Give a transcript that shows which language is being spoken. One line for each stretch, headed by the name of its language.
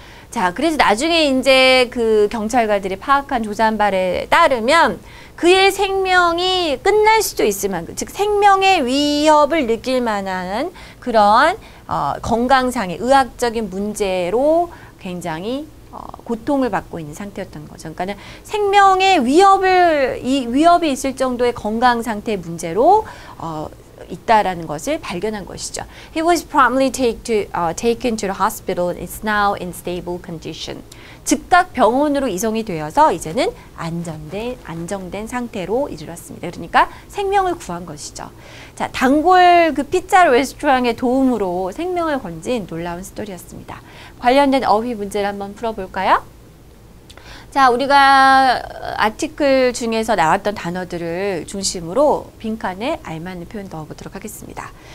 Korean: 자, 그래서 나중에 이제 그 경찰관들이 파악한 조사발에 따르면 그의 생명이 끝날 수도 있을 만큼, 즉 생명의 위협을 느낄 만한 그런 건강상의 의학적인 문제로 굉장히 고통을 받고 있는 상태였던 거죠. 그러니까는 생명의 위협이 있을 정도의 건강 상태 문제로 있다라는 것을 발견한 것이죠.
English: He was promptly taken to the hospital and is now in stable condition.
Korean: 즉각 병원으로 이송이 되어서 이제는 안정된 상태로 이르렀습니다. 그러니까 생명을 구한 것이죠. 자, 단골 그 피자 레스토랑의 도움으로 생명을 건진 놀라운 스토리였습니다. 관련된 어휘 문제를 한번 풀어볼까요? 자, 우리가 아티클 중에서 나왔던 단어들을 중심으로 빈칸에 알맞은 표현 넣어보도록 하겠습니다.